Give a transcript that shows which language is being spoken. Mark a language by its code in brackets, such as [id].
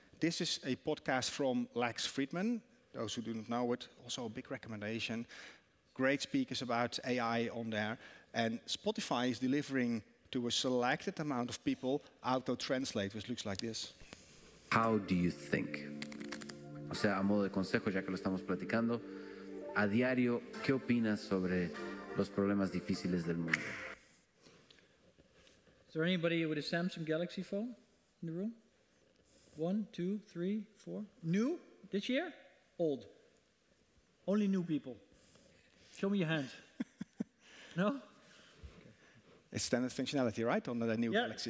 [en] This is a podcast from Lex Friedman. Those who do not know it, also a big recommendation. Great speakers about AI on there. And Spotify is delivering to a selected amount of people auto-translate, which looks like this. How do you think? [es] O sea, a modo de consejo, ya que lo estamos platicando, a diario, ¿qué opinas sobre los problemas difíciles del mundo? [en] Is there anybody with a Samsung Galaxy phone in the room? One, two, three, four. New this year? Old. Only new people. Show me your hand. No? It's standard functionality, right, on the new Galaxy?